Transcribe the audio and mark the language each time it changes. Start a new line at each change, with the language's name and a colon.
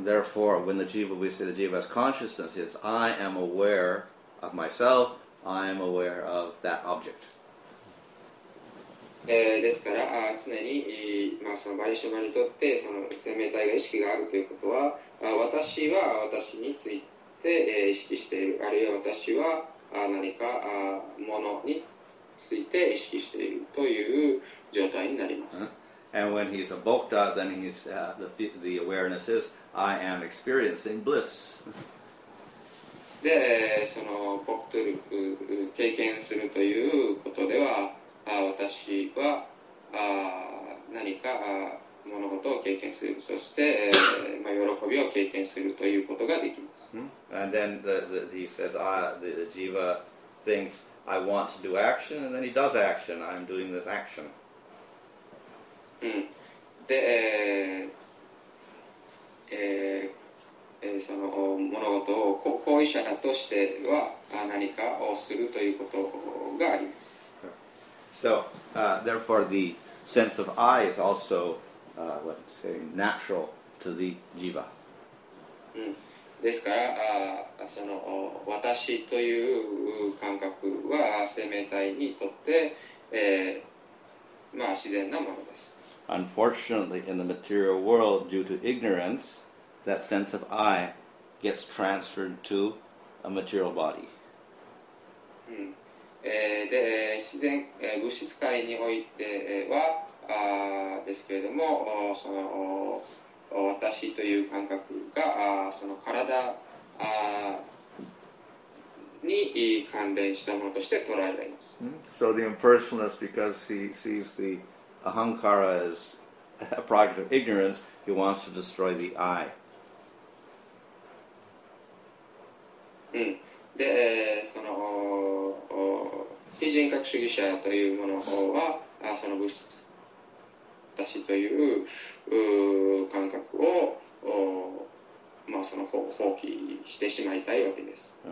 English: Therefore, when the jiva, we say the jiva has consciousness, is I am aware of myself, I am aware of that object.
Japanese: ですから常に、まあ、そのバリシャマにとってその生命体が意識があるということは、私は私について意識している、あるいは私は何かものについて意識しているという状態になります。
English: And when he's a bhokta, then he's, the awareness is I am experiencing bliss.
Japanese: で、そのボクトル経験するということでは、私は何か物事を経験する、そして、まあ、喜びを経験するということができます。
English: And then he says, the jiva thinks, I want to do action, and then he does action. I'm doing this action.
Japanese: で、その物事を行為者だとしては何かをするということがあります。
English: So, therefore, the sense of I is also, what I'm saying, natural to the jiva.
Japanese: ですから、その私という感覚は生命体にとって、まあ、自然なものです。
English: Unfortunately, in the material world, due to ignorance, that sense of I gets transferred to a material body.
Japanese: で自然物質界においてはですけれども、その私という感覚がその体に関連したものとして捉えられます。
English: So the impersonalist, because he sees the ahankara as a product of ignorance, he wants to destroy the I.
Japanese: で、その非人格主義者というものは、その物質、私という感覚を、まあ、その放棄してしまいたいわけです。